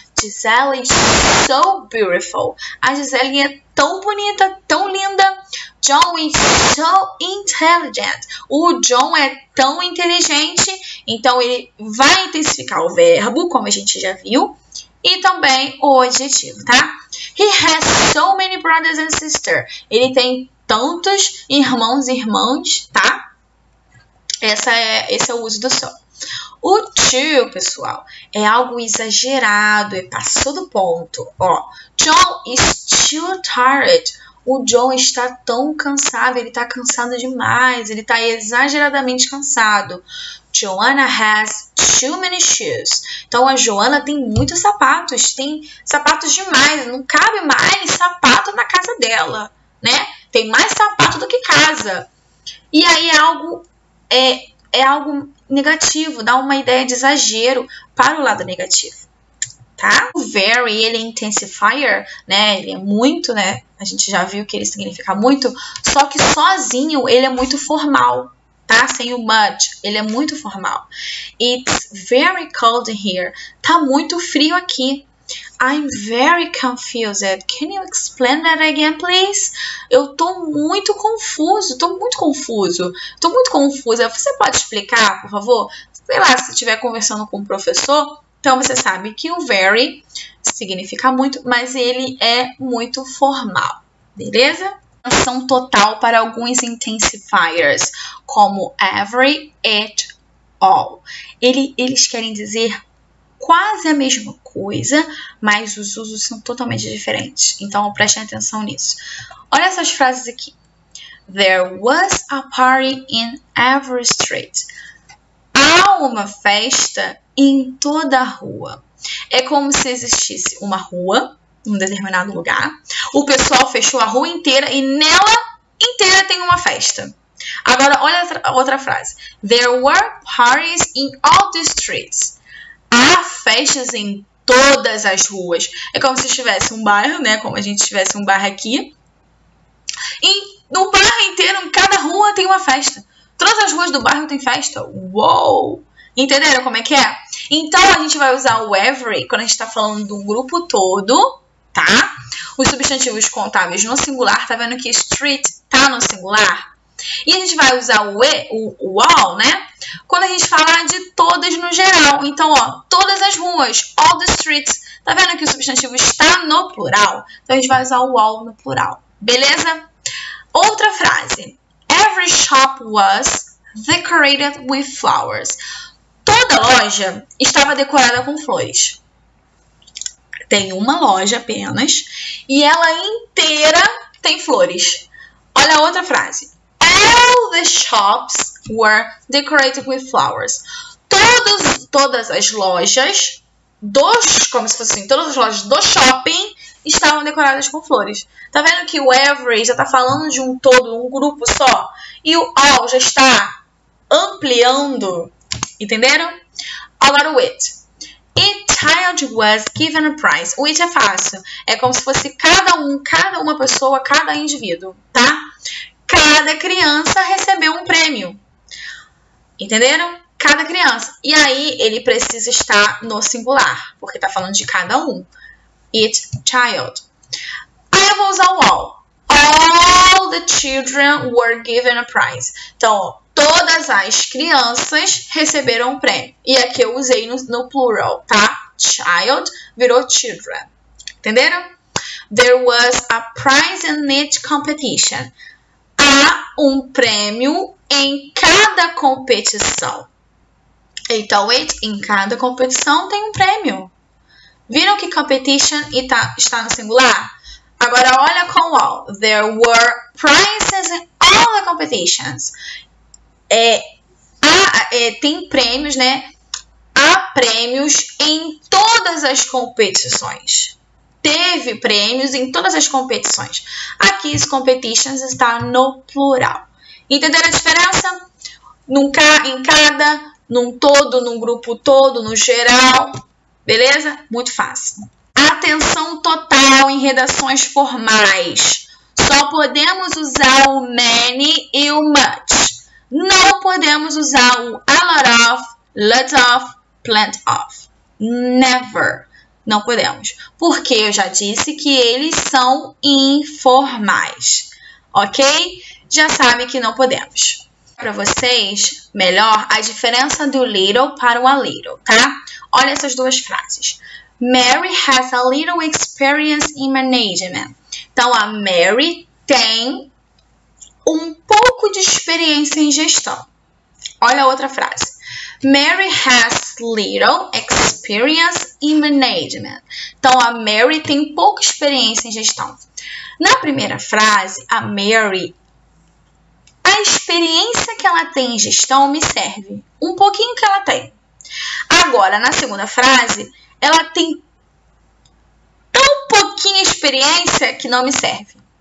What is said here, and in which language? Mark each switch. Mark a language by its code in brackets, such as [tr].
[en] Gisele is so beautiful. [pt] A Gisele é tão bonita, tão linda. [en] John is so intelligent. [pt] O John é tão inteligente. Então, ele vai intensificar o verbo, como a gente já viu. E também o adjetivo, tá? [en] He has so many brothers and sisters. [pt] Ele tem tantos irmãos e irmãs, tá? Esse é o uso do so. O to, pessoal, é algo exagerado, é passou do ponto. Ó, [en] John is too tired. [pt] O John está tão cansado, ele está cansado demais, ele está exageradamente cansado. [en] Joanna has too many shoes. [pt] Então a Joana tem muitos sapatos, tem sapatos demais, não cabe mais sapato na casa dela, né? Tem mais sapato do que casa. E aí é algo negativo, dá uma ideia de exagero para o lado negativo, tá? O very, ele é intensifier, né? Ele é muito, né? A gente já viu que ele significa muito, só que sozinho ele é muito formal, tá? Sem o much, ele é muito formal. [en] It's very cold here. [pt] Tá muito frio aqui. [en] I'm very confused. Can you explain that again, please? [pt] Eu tô muito confuso, tô muito confuso. Tô muito confusa. Você pode explicar, por favor? Sei lá, se estiver conversando com o professor, então você sabe que o very significa muito, mas ele é muito formal, beleza? Atenção total para alguns intensifiers, como every, at, all. Eles querem dizer quase a mesma coisa, mas os usos são totalmente diferentes. Então, prestem atenção nisso. Olha essas frases aqui. [en] There was a party in every street. [pt] Há uma festa em toda a rua. É como se existisse uma rua em um determinado lugar. O pessoal fechou a rua inteira e nela inteira tem uma festa. Agora, olha outra frase. [en] There were parties in all the streets. [pt] Há festas em todas as ruas. É como se tivesse um bairro, né? Como a gente tivesse um bairro aqui. No bairro inteiro, em cada rua tem uma festa. Todas as ruas do bairro tem festa. Uou! Entenderam como é que é? Então a gente vai usar o every quando a gente está falando de um grupo todo, tá? Os substantivos contáveis no singular, tá vendo que street tá no singular? E a gente vai usar o all, né? Quando a gente fala de todas no geral. Então, ó, todas as ruas, [en] all the streets. [pt] Tá vendo que o substantivo está no plural? Então, a gente vai usar o all no plural. Beleza? Outra frase. [en] Every shop was decorated with flowers. [pt] Toda loja estava decorada com flores. Tem uma loja apenas e ela inteira tem flores. Olha a outra frase. [en] All the shops were decorated with flowers. [pt] Todas as lojas como se fossem assim, todas as lojas do shopping estavam decoradas com flores. Tá vendo que o every já tá falando de um todo, um grupo só, e o all já está ampliando. Entenderam? Agora o it. [en] A child was given a prize. [pt] O it é fácil. É como se fosse cada um, cada uma pessoa, cada indivíduo, tá? Cada criança recebeu um prêmio. Entenderam? Cada criança. E aí ele precisa estar no singular, porque está falando de cada um. [en] It child. [pt] Aí eu vou usar o all. [en] All the children were given a prize. [pt] Então, ó, todas as crianças receberam um prêmio. E aqui eu usei no plural, tá? Child virou children. Entenderam? [en] There was a prize in each competition. [pt] Há um prêmio em cada competição. Então, it, em cada competição tem um prêmio. Viram que competition está no singular? Agora, olha com all. [en] There were prizes in all the competitions. [pt] Tem prêmios, né? Há prêmios em todas as competições. Teve prêmios em todas as competições. Aqui, as competitions está no plural. Entenderam a diferença? Num ca em cada, num todo, num grupo todo, no geral. Beleza? Muito fácil. Atenção total em redações formais. Só podemos usar o many e o much. Não podemos usar o a lot of, lots of, plenty of. Never. Não podemos, porque eu já disse que eles são informais, ok? Já sabe que não podemos. Para vocês, melhor a diferença do little para o a little, tá? Olha essas duas frases. [en] Mary has a little experience in management. [pt] Então, a Mary tem um pouco de experiência em gestão. Olha a outra frase. [en] Mary has little experience in management. [pt] Então, a Mary tem pouca experiência em gestão. Na primeira frase, a Mary, a experiência que ela tem em gestão me serve. Um pouquinho que ela tem. Agora, na segunda frase, ela tem tão pouquinha experiência que não me serve.